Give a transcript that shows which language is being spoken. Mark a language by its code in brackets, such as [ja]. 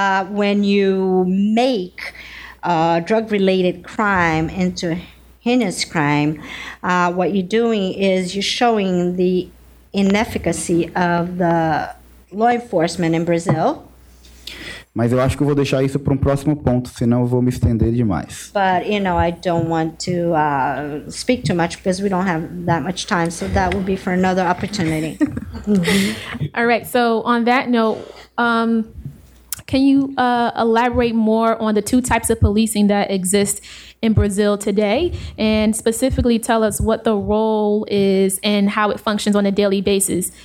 [en] When you make drug-related crime into a heinous crime, what you're doing is you're showing the inefficacy of the law enforcement in Brazil. [pt] Mas eu acho que eu vou deixar isso para um próximo ponto, senão eu vou me estender demais. [en] But, you know, I don't want to speak too much because we don't have that much time, so that will be for another opportunity. Mm-hmm. All right, so on that note, can you elaborate more on the two types of policing that exist in Brazil today, and specifically tell us what the role is and how it functions on a daily basis?